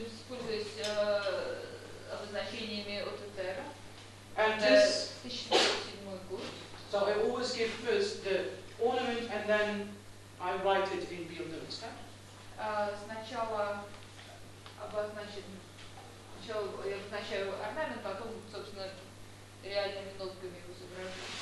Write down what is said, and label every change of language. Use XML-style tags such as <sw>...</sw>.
<ru>Пользуясь обозначениями Ототера.</ru> <en>And this,</en> <ru>1907 год.</ru> <en>So I always give first the ornament and then I write it in real notes.</en> <ru>Сначала обозначаю орнамент, потом, собственно, реальными нотками его изображаю.</ru>